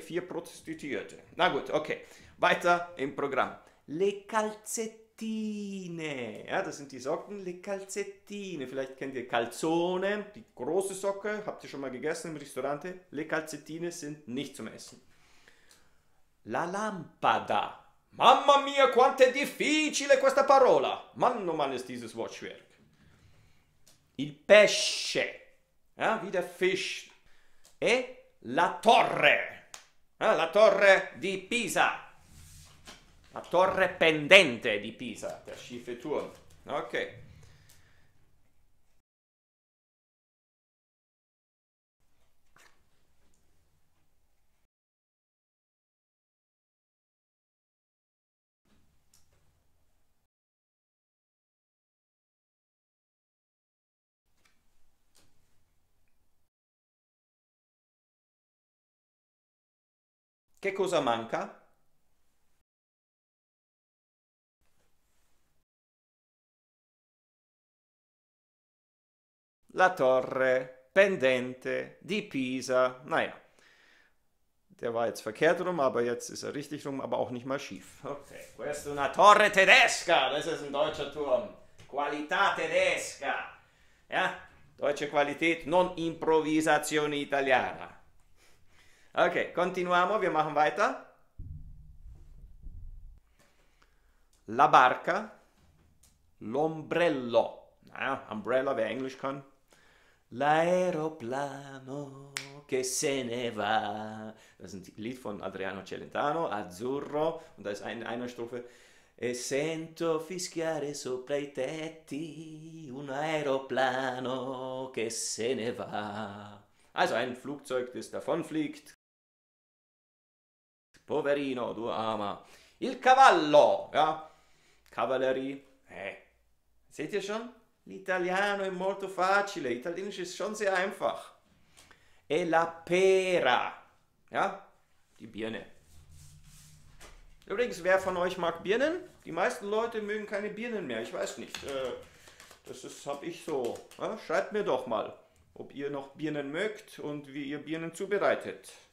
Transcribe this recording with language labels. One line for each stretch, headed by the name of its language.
German: 4 Prostituierte. Na gut, okay. Weiter im Programm.
Italian: Le calzette.
German: Ja, das sind die Socken,
Italian: le calzettine.
German: Vielleicht kennt ihr Calzone, die große Socke, habt ihr schon mal gegessen im Restaurante. Le calzettine sind nicht zum Essen.
Italian: La lampada. Mamma mia, quanto è difficile questa parola.
German: Mann, oh Mann, ist dieses Wort schwer.
Italian: Il pesce.
German: Ja, wie der Fisch.
Italian: E la torre. Ja, la torre di Pisa. La torre pendente di Pisa,
German: der schiefe Turm.
Italian: Okay. Che cosa manca? La Torre Pendente di Pisa.
German: Naja, der war jetzt verkehrt rum, aber jetzt ist er richtig rum, aber auch nicht mal schief.
Italian: Okay, questa è una torre tedesca.
German: Das ist ein deutscher Turm.
Italian: Qualità tedesca.
German: Ja, deutsche Qualität,
Italian: non improvvisazione italiana.
German: Okay,
Italian: continuiamo,
German: wir machen weiter.
Italian: La barca, l'ombrello.
German: Naja, Umbrella, wer Englisch kann.
Italian: L'aeroplano che se ne va.
German: Das ist ein Lied von Adriano Celentano, Azzurro. Und da ist eine Strophe.
Italian: E sento fischiare sopra i tetti un aeroplano che se ne va.
German: Also ein Flugzeug, das davonfliegt.
Italian: Poverino,
German: du armer.
Italian: Il cavallo,
German: ja. Kavallerie. Seht ihr schon?
Italian: L'italiano è molto facile.
German: Italienisch ist schon sehr einfach.
Italian: E la pera.
German: Ja, die Birne. Übrigens, wer von euch mag Birnen? Die meisten Leute mögen keine Birnen mehr. Ich weiß nicht. Das habe ich so. Ja, schreibt mir doch mal, ob ihr noch Birnen mögt und wie ihr Birnen zubereitet.